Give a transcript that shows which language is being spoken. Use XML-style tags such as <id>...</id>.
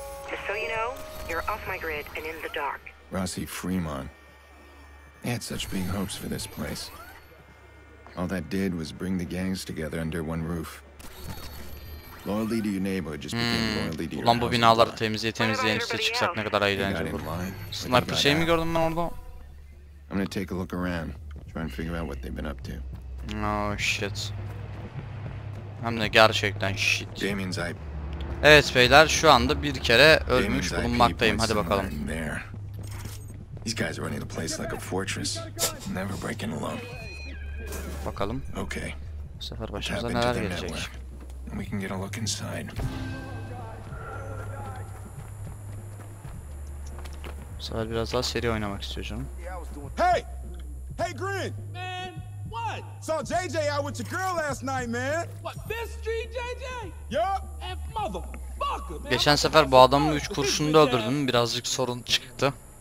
<en>Just so you know, you're off my grid and in the dark. Rossi Fremont. I had such big hopes for this place. All that did was bring the gangs together under one roof. Loyalty to your neighbor just became loyalty to your.</en> <tr>Ulan bu binaları temizleye temizleyen işte çıksak ne kadar eğlenceli olur. Sniper şey mi gördüm ben orada?</tr> <en>I'm gonna take a look around, try and figure out what they've been up to. Oh shit.</en> <tr>Hem de gerçekten shit.</tr> <en>Damien's IP.</en> <tr>Evet beyler, şu anda bir kere ölmüş bulunmaktayım. Hadi bakalım.</tr> <en>These guys are running the place like a fortress, never breaking alone.</en> <tr>Bakalım.</tr> <en>Okay.</en> <tr>Bu sefer başımıza neler gelecek?</tr> <en>We can get a look inside.</en> <tr>Bu sefer biraz daha seri oynamak istiyor canım.</tr> <en>Hey! Hey Green! Man, what? Saw JJ out with your girl last night, man! What, this street JJ? Yup! And motherfucker, man!</en> <tr>Geçen sefer bu adamı 3 kurşunda öldürdüm, birazcık sorun çıktı.</tr>